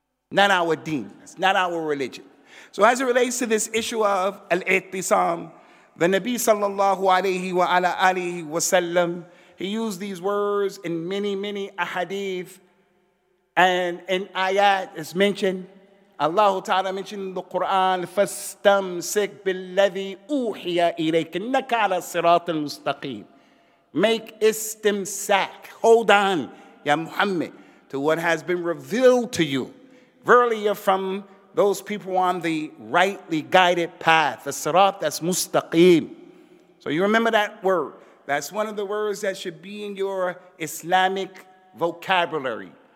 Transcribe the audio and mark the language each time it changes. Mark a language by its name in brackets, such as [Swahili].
[English] Not our deen. It's not our religion. So as it relates to this issue of al-Ihtisam, the Nabi sallallahu alayhi wa ala alihi wa sallam, he used these words in many, many ahadith, and in ayat, it's mentioned, Allah Ta'ala mentioned in the Quran, [Arabic] فَاسْتَمْسِكْ بِالَّذِي أُوحِيَ إِلَيْكَ إِنَّكَ عَلَى الصِّرَاطِ الْمُسْتَقِيمِ. [English] Make istimsak, hold on, Ya Muhammad, to what has been revealed to you. Verily, you're from those people on the rightly guided path, the sirat that's mustaqim. So you remember that word. That's one of the words that should be in your Islamic vocabulary.